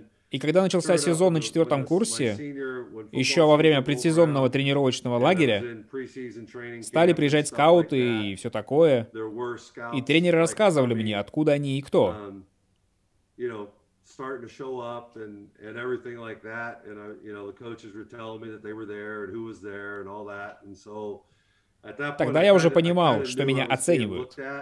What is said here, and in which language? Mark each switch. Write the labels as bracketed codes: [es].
[ru] И когда начался сезон на четвертом курсе, еще во время предсезонного тренировочного лагеря, стали приезжать скауты и все такое, и тренеры рассказывали мне, откуда они и кто. [en] starting to show up and everything like that. And I, you know, the coaches were telling me that they were there and who was there and all that. And so at that point, [ru] тогда я уже понимал, что меня оценивают.